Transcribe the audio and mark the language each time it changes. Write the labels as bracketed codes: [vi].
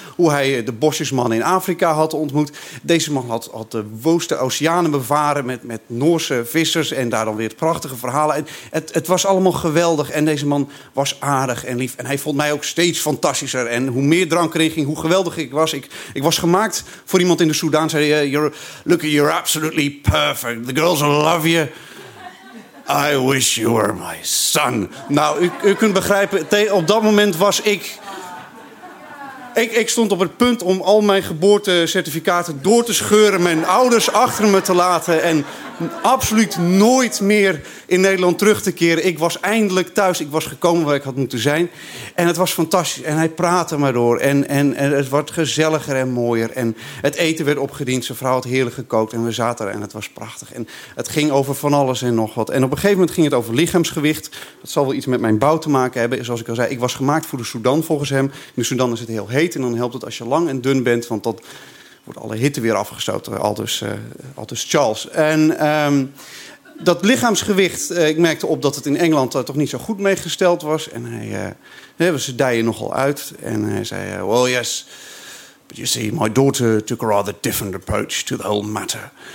[nl] Hoe hij de bosjesman in Afrika had ontmoet. Deze man had de woeste oceanen bevaren met Noorse vissers. En daar dan weer het prachtige verhaal. Het was allemaal geweldig. En deze man was aardig en lief. En hij vond mij ook steeds fantastischer. En hoe meer drank erin ging, hoe geweldig ik was. Ik was gemaakt voor iemand in de Soedan. Zei hij, [en] you're absolutely perfect. Girls, I love you. I wish you were my son. [nl] Nou, u kunt begrijpen, op dat moment was ik... Ik stond op het punt om al mijn geboortecertificaten door te scheuren, mijn ouders achter me te laten en absoluut nooit meer in Nederland terug te keren. Ik was eindelijk thuis. Ik was gekomen waar ik had moeten zijn. En het was fantastisch. En hij praatte maar door. En het werd gezelliger en mooier. En het eten werd opgediend. Zijn vrouw had heerlijk gekookt. En we zaten er. En het was prachtig. En het ging over van alles en nog wat. En op een gegeven moment ging het over lichaamsgewicht. Dat zal wel iets met mijn bouw te maken hebben. Zoals ik al zei, ik was gemaakt voor de Soedan volgens hem. In de Soedan is het heel heet. En dan helpt het als je lang en dun bent. Want dat wordt alle hitte weer afgestoten. Aldus Charles. En... dat lichaamsgewicht, ik merkte op dat het in Engeland toch niet zo goed meegesteld was. En hij, ze dijen nogal uit. En hij zei, [en] well yes, but you see, my daughter took a rather different approach to the whole matter.